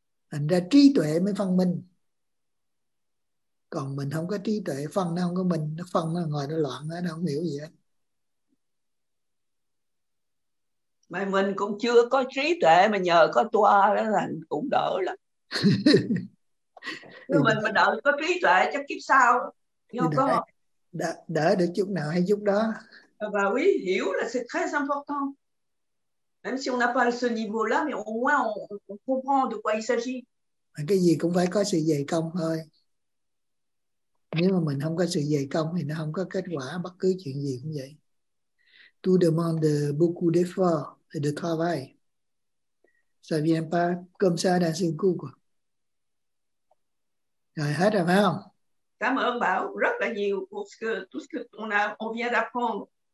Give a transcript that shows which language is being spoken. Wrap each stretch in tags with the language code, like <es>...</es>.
<vi>Thành ra trí tuệ mới phân minh. Còn mình không có trí tuệ, phân nó không có mình, nó phân nó ngồi nó loạn, nó không hiểu gì hết. Mà mình cũng chưa có trí tuệ mà nhờ có toa đó là cũng đỡ lắm. mình đỡ có trí tuệ chắc kiếp sau. Đỡ được chút nào hay chút đó. Và quý hiểu là</vi> <fr>c'est très important. Même si on n'a pas ce niveau-là, mais au moins on comprend de quoi il s'agit.</fr> <vi>Cái gì cũng phải có sự dày công thôi. Nếu mà mình không có sự dày công thì nó không có kết quả, bất cứ chuyện gì cũng vậy.</vi> <fr>Tout demande beaucoup d'efforts et de travail. Ça vient pas comme ça dans un coup.</fr> <vi>Rồi hết rồi phải không? Cảm ơn Bảo rất là nhiều</vi> <fr>pour ce que tout ce que on vient d'apprendre.</fr>